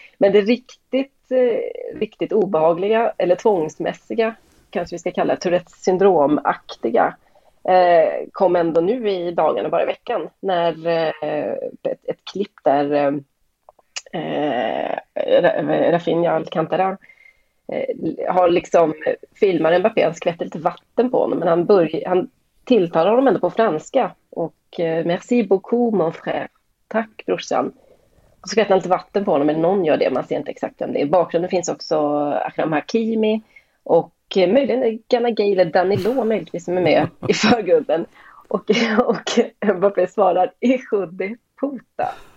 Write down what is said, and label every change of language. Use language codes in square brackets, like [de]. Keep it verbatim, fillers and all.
[sv] Men det riktigt, eh, riktigt obehagliga eller tvångsmässiga kanske vi ska kalla Tourettes syndromaktiga eh, kom ändå nu i dagarna, bara i veckan när eh, ett, ett klipp där eh, Rafinha Alcantara eh, har liksom filmar Mbappé, han skvätter lite vatten på honom men han, börj- han tilltalar honom ändå på franska. [fr] Och eh, merci beaucoup mon frère. [sv] Tack brorsan. Och så skvätter han lite vatten på honom, men någon gör det. Man ser inte exakt vem det är. I bakgrunden finns också Akram Hakimi och eh, möjligen Ganna Gay eller Danilo möjligtvis som är med i förgrunden. Och, och Mbappé svarar i sjudde puta.